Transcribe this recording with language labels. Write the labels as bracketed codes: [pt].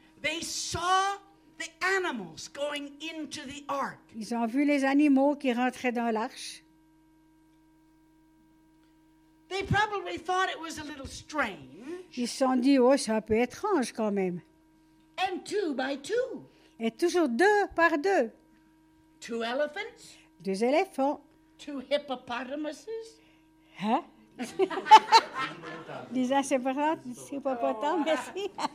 [en] They saw the animals going into the ark. [fr] Ils ont vu les animaux qui rentraient dans l'arche. [en] They probably thought it was a little strange. [fr] Ils se sont dit, oh, c'est un peu étrange quand même. [en] And two by two. [fr] Et toujours deux par deux. [en] Two elephants. [fr] Deux éléphants. [en] Two hippopotamuses. Hein? [fr] Des hippopotames, merci.